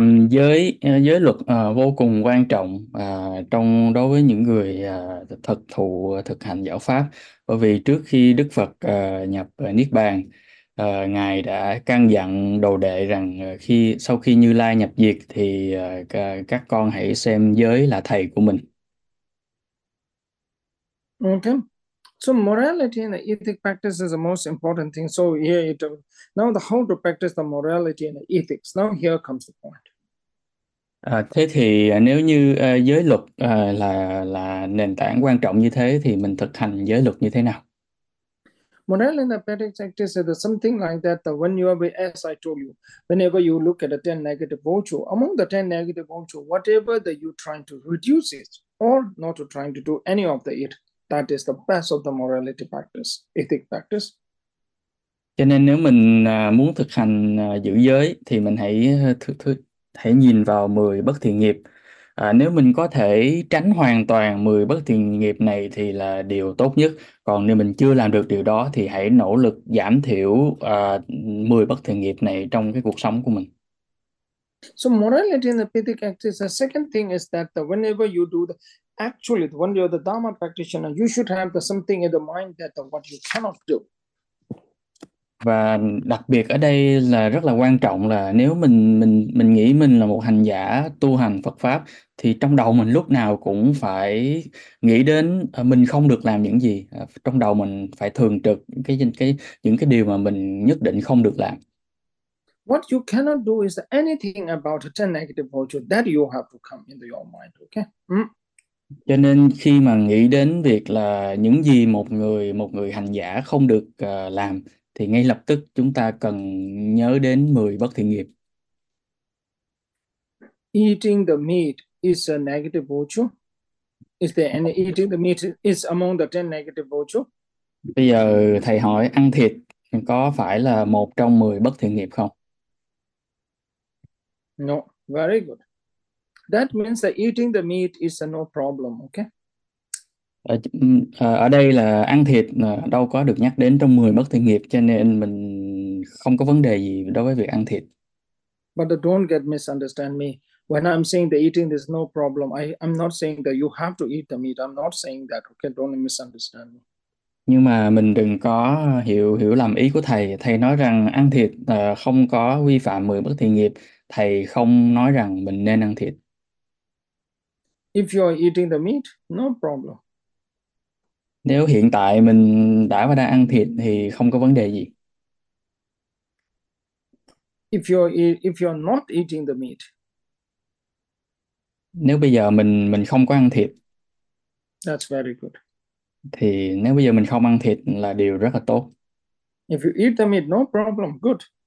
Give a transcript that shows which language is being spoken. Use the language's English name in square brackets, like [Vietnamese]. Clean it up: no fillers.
[Vietnamese] Giới giới luật vô cùng quan trọng trong đối với những người thực thụ thực hành giáo pháp, bởi vì trước khi Đức Phật nhập Niết Bàn, Ngài đã căn dặn đồ đệ rằng khi sau khi Như Lai nhập diệt thì các con hãy xem giới là thầy của mình. [English] Okay. So morality and ethic practice is the most important thing. So here you do. Now the how to practice the morality and the ethics. Now here comes the point. [Vietnamese] Thế thì nếu như giới luật là nền tảng quan trọng như thế thì mình thực hành giới luật như thế nào? [English] Morality and ethics practice is something like that. When you are, as I told you, whenever you look at the 10 negative virtue, among the 10 negative virtue, whatever that you're trying to reduce it or not to trying to do any of the it, that is the best of the morality practice, ethic practice. [Vietnamese] Cho nên nếu mình muốn thực hành giữ giới thì mình hãy hãy nhìn vào 10 bất thiện nghiệp. Nếu mình có thể tránh hoàn toàn 10 bất thiện nghiệp này thì là điều tốt nhất. Còn nếu mình chưa làm được điều đó thì hãy nỗ lực giảm thiểu 10 bất thiện nghiệp này trong cái cuộc sống của mình. [English] So morality and ethic practice, the second thing is that whenever you do the actually when you're the Dharma practitioner, you should have the something in the mind that what you cannot do. [Vietnamese] Và đặc biệt ở đây là rất là quan trọng là nếu mình nghĩ mình là một hành giả tu hành Phật pháp thì trong đầu mình lúc nào cũng phải nghĩ đến mình không được làm những gì, trong đầu mình phải thường trực những cái điều mà mình nhất định không được làm. [English] What you cannot do is anything about the 10 negative virtue that you have to come into your mind, okay? [Vietnamese] Cho nên khi mà nghĩ đến việc là những gì một người hành giả không được làm thì ngay lập tức chúng ta cần nhớ đến 10 bất thiện nghiệp. [English] Eating the meat is a negative virtue. Is there any eating the meat is among the 10 negative virtue? [Vietnamese] Giờ thầy hỏi ăn thịt có phải là một trong 10 bất thiện nghiệp không? [English] No, very good. That means that eating the meat is a no problem, okay? [Vietnamese] Ở đây là ăn thịt đâu có được nhắc đến trong 10 bất thiện nghiệp, cho nên mình không có vấn đề gì đối với việc ăn thịt. [English] Don't get misunderstand me. When I'm saying the eating is no problem, I'm not saying that you have to eat the meat. I'm not saying that, okay? Don't misunderstand me. [Vietnamese] Nhưng mà mình đừng có hiểu hiểu lầm ý của thầy. Thầy nói rằng ăn thịt không có vi phạm 10 bất thiện nghiệp. Thầy không nói rằng mình nên ăn thịt. [English] If you are eating the meat, no problem. [Vietnamese] Nếu hiện tại mình đã và đang ăn thịt thì không có vấn đề gì. [English] If you are not eating the meat, [Vietnamese] Nếu bây giờ mình không có ăn thịt [English] very good. [Vietnamese] thì nếu bây giờ mình không ăn thịt là điều rất là tốt. [English] If you eat the meat, no problem, good.